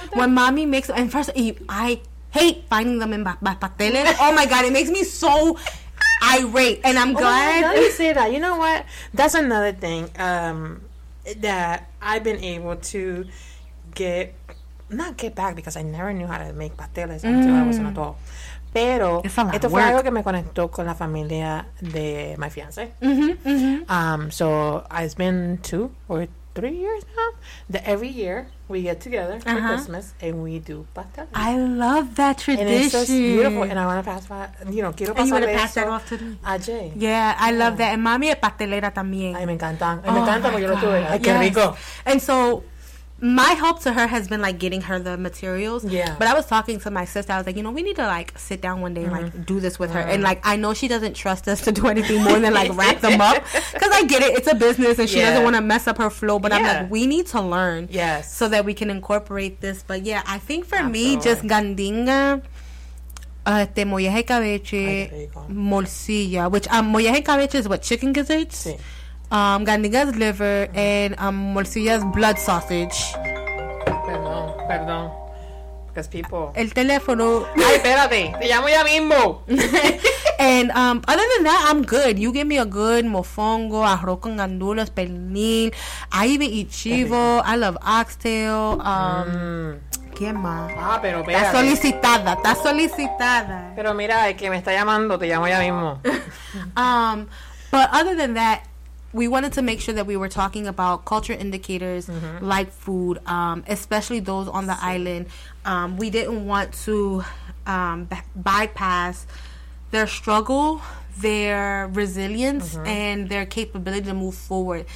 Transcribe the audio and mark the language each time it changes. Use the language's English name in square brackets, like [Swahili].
[English] When mommy makes, and first, I hate finding them in pasteles. Oh my God, it makes me so irate. And I'm glad. Oh, now you say that. You know what? That's another thing that I've been able to get, not get back, because I never knew how to make pasteles until I was an adult. [Spanish] Pero esto fue algo que me conectó con la familia de mi fiancé. [English] So it's been 2 or 3 years now that every year we get together for Christmas and we do pasteles. I love that tradition. And it's just beautiful. And I want to pass by, you know, [Spanish] quiero pasar eso. [English] And you want to pass that off to me. A Jay. Yeah, I love that. And mami [Spanish] es pastelera también. Ay, me encantan. Me encantan porque yo lo tuve. Ay, qué rico. [English] And so, my help to her has been, like, getting her the materials. Yeah. But I was talking to my sister. I was like, you know, we need to, like, sit down one day and, like, do this with her. And, like, I know she doesn't trust us to do anything more than, like, wrap them up. Because I get it. It's a business. And she doesn't want to mess up her flow. But I'm like, we need to learn. Yes. So that we can incorporate this. But, yeah, I think for me, just gandinga, molleja y cabeche, morcilla, which molleja y cabeche is what, chicken gizzards? [Spanish] Sí. [English] Gandinga's liver and morcilla's blood sausage. [Spanish] Perdón. [English] Because people. [Spanish] El teléfono. Ay, espérate. Te llamo ya mismo. [English] And other than that, I'm good. You give me a good mofongo, arroz con gandules, pernil. I even eat chivo. I love oxtail. [Spanish] ¿Qué más? Ah, pero espérate. Está solicitada. Está solicitada. Pero mira, el que me está llamando, te llamo ya mismo. [English] But other than that, we wanted to make sure that we were talking about culture indicators like food, especially those on the island. We didn't want to bypass their struggle, their resilience, and their capability to move forward.